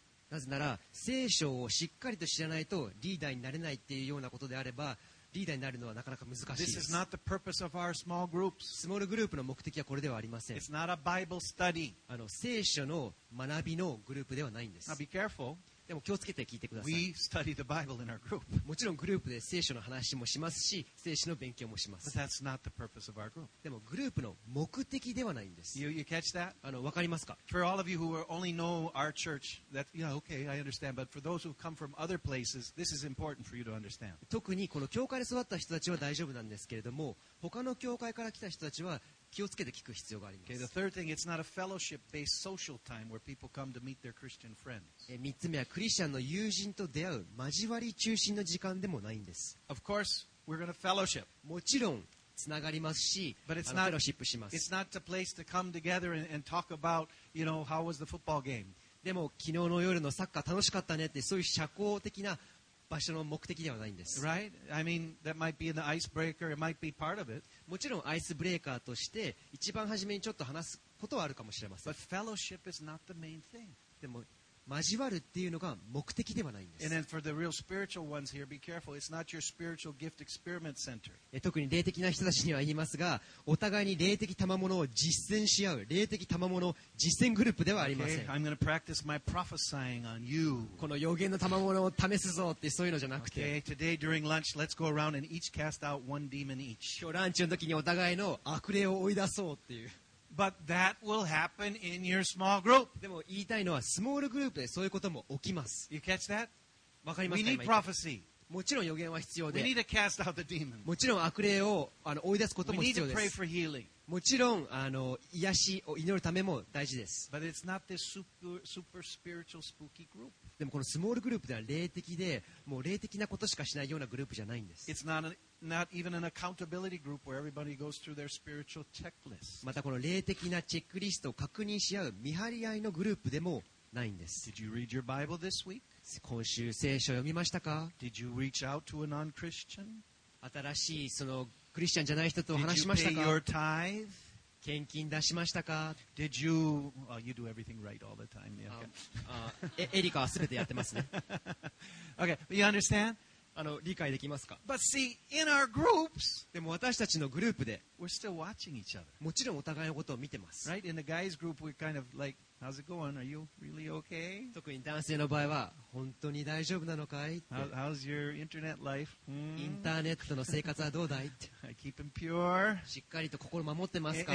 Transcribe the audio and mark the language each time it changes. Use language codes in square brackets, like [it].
[ja] なぜなら聖書をしっかりと知らないとリーダーになれないっていうようなことであれば、リーダーになるのはなかなか難しいです。 [en] This is not the purpose of our small groups. [ja] スモールグループの目的はこれではありません。 [en] It's not a Bible study. [ja] 聖書の学びのグループではないんです。 [en] Now be careful. [ja] でも気をつけて聞いてください。 [en] We study the Bible in our group. [ja] もちろんグループで聖書の話もしますし、聖書の勉強もします。 [en] But that's not the purpose of our group. [ja] でもグループの目的ではないんです。 [en] You catch that? [ja] わかりますか? [en] For all of you who only know our church, that, yeah, okay, I understand. But for those who come from other places, this is important for you to understand. [ja] 特にこの教会で育った人たちは大丈夫なんですけれども、他の教会から来た人たちは気をつけて聞く必要があります。 [en] Okay, the third thing, it's not a fellowship-based social time where people come to meet their Christian friends. [ja] 三つ目はクリスチャンの友人と出会う交わり中心の時間でもないんです。 [en] Of course, we're going to fellowship. [ja] もちろんつながりますし、 [en] But [ja] フェロシップします。 [en] It's not a place to come together and talk about, you know, how was the football game. [ja] でも昨日の夜のサッカー楽しかったねってそういう社交的な場所の目的ではないんです。 [en] Right? I mean, that might be an icebreaker. It might be part of it. [ja] もちろんアイスブレーカーとして一番初めにちょっと話すことはあるかもしれません。 [en] But fellowship is not the main thing. [ja] でも交わるっていうのが目的ではないんです。 [en] And then for the real spiritual ones here, be careful. It's not your spiritual gift experiment center. [ja] 特に霊的な人たちには言いますが、お互いに霊的賜物を実践し合う霊的賜物実践グループではありません。 [en] Okay, I'm going to practice my prophesying on you. [ja] この予言の賜物を試すぞってそういうのじゃなくて。 [en] Okay, today during lunch, let's go around and each cast out one demon each. [ja] 今日ランチの時にお互いの悪霊を追い出そうっていう。 [en] But that will happen in your small group. [ja] でも言いたいのはスモールグループでそういうことも起きます。 [en] You catch that? [ja] わかりますか? [en] We need prophecy. [ja] もちろん予言は必要で。 [en] We need to cast out the demons. [ja] もちろん悪霊を追い出すことも必要です。 [en] We need to pray for healing. [ja] もちろん癒しを祈るためも大事です。 [en] But it's not this super spiritual spooky group. [ja] でもこのスモールグループでは霊的で、もう霊的なことしかしないようなグループじゃないんです。 [en] It's not not even an accountability group where everybody goes through their spiritual checklist. [ja] またこの霊的なチェックリストを確認し合う見張り合いのグループでもないんです。 [en] Did you read your Bible this week? [ja] 今週聖書を読みましたか? [en] Did you reach out to a non-Christian? [ja] 新しいそのクリスチャンじゃない人と話しましたか? [en] Did you pay your tithe? [ja] 献金出しましたか? [en] Did you? Oh, you do everything right all the time. Yeah, okay. [ja] エリカは全てやってますね。 [en] Okay, you understand? [ja] 理解できますか? [en] But see, in our groups, [ja] でも私たちのグループで [en] we're still watching each other. [ja] もちろんお互いのことを見てます。 [en] Right? In the guys group, we're kind of like, how's it going? Are you really okay? [ja] 特に男性の場合は本当に大丈夫なのかい? [en] How's your internet life? [ja] インターネットの生活はどうだい? [en] I keep him pure. [ja] しっかりと心守ってますか?